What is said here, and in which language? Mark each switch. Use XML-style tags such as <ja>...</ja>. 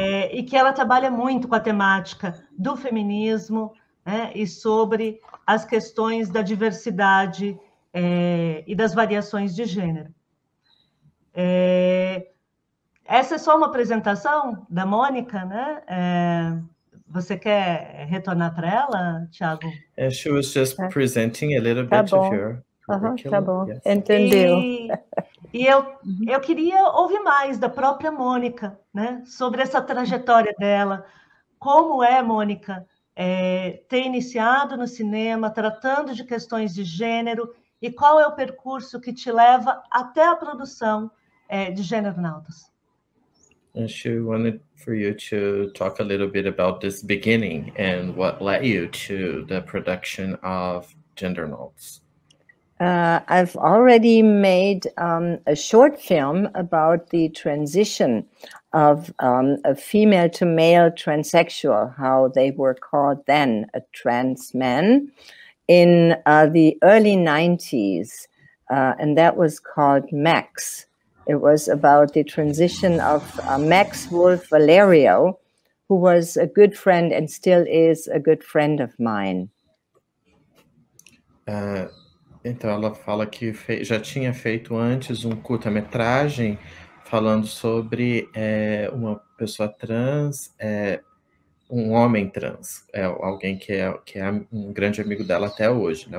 <pt>E que ela trabalha muito com a temática do feminismo, né? E sobre as questões da diversidade e das variações de gênero. Essa é só uma apresentação da Mônica, né? Você quer retornar para ela, Thiago?</pt> <en>She was just presenting a little bit of your curriculum.</en> <pt>Tá bom, yes. Entendeu. E eu queria ouvir mais da própria Mônica, né? Sobre essa trajetória dela. Como é, Mônica, ter iniciado no cinema, tratando de questões de gênero, e qual é o percurso que te leva até a produção de Gênero-Nautas.</pt> <en>And she wanted for you to talk a little bit about this beginning and what led you to the production of Gênero-Nautas. I've already made a short film about the transition of a female to male transsexual, how they were called then, a trans man, in the early 90s, and that was called Max. It was about the transition of Max Wolf Valerio, who was a good friend and still is a good friend of mine.</en> <pt>Então ela fala que já tinha feito antes um curta-metragem falando sobre uma pessoa trans, um homem trans, alguém que é um grande amigo dela até hoje, né?</pt>